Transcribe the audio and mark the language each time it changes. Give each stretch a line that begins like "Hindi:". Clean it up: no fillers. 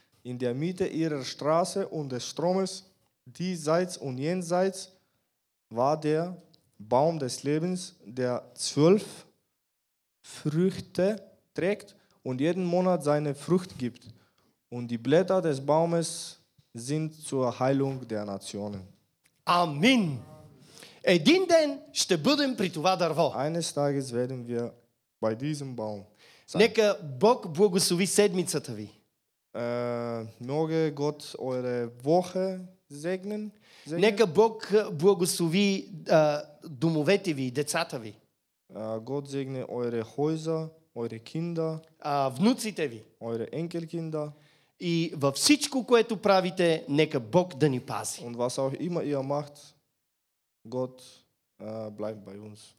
German: In der Mitte ihrer Straße und des Stromes, diesseits und jenseits, war der Baum des Lebens, der 12 Früchte trägt und jeden Monat seine Frucht gibt. Und die Blätter des Baumes sind zur Heilung der Nationen. Amen.
Bulgarian: Един ден ще бъдем при това дърво.
German: Eines Tages werden wir bei diesem Baum
Bulgarian: sein. Нека Бог благослови седмицата ви.
German: Möge Gott eure Woche segnen.
Bulgarian: Нека Бог благослови домовете ви, децата ви.
German: Gott segne eure Häuser, eure Kinder.
Bulgarian: Внуците ви.
German: Eure Enkelkinder.
Bulgarian: И във всичко, което правите, нека Бог да ни пази.
German: Und was auch immer ihr macht, Gott bleibt bei uns.